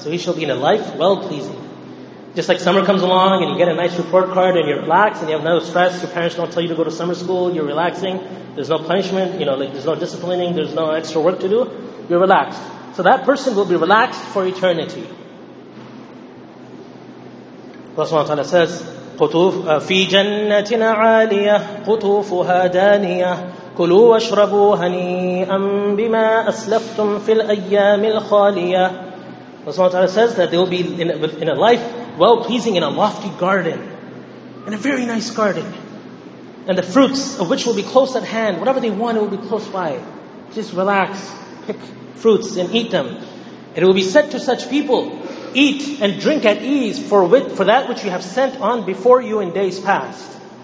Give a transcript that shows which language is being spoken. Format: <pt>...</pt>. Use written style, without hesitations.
<en>So he shall be in a life well-pleasing. Just like summer comes along and you get a nice report card and you're relaxed and you have no stress. Your parents don't tell you to go to summer school. You're relaxing. There's no punishment. There's no disciplining. There's no extra work to do. You're relaxed. So that person will be relaxed for eternity. Allah subhanahu wa ta'ala says,</en> <ar>في جنة عالية قطوفها دانية كلوا واشربوا هنيئا بما أسلفتم في الأيام الخالية.</ar> <en>Allah Ta'ala says that they will be in a life well pleasing in a lofty garden, in a very nice garden, and the fruits of which will be close at hand. Whatever they want, it will be close by. Just relax, pick fruits and eat them. And it will be said to such people, eat and drink at ease for that which you have sent on before you in days past.</en>